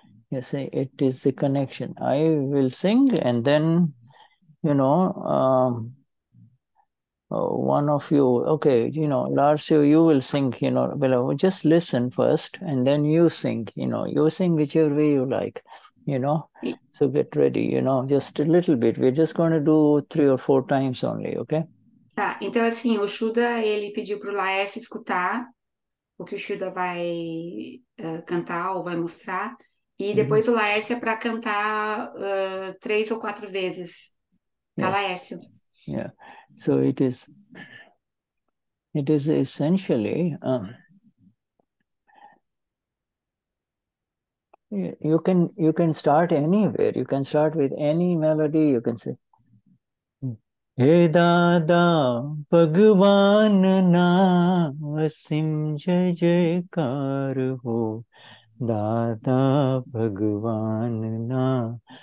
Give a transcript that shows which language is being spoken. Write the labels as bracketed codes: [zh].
[en] You see, it is the connection. I will sing and then, you know, one of you, okay, you know, Larsio, you will sing, you know, below. Just listen first and then you sing, you know, you sing whichever way you like. You know, so get ready, you know, just a little bit. We're just going to do 3 or 4 times only, okay? [pt] Tá, então assim, o Shuddha, ele pediu pro Laércio escutar o que o Shuddha vai cantar ou vai mostrar. E depois o Laércio é para cantar 3 ou 4 vezes. Tá, [en] yes. [pt] Laércio? [en] Yeah, so it is essentially you can start anywhere. You can start with any melody. You can say, [gu] Hey Dada Bhagwan Na [en] Aseem Jai Jai Kar Ho, Dada Bhagwan Na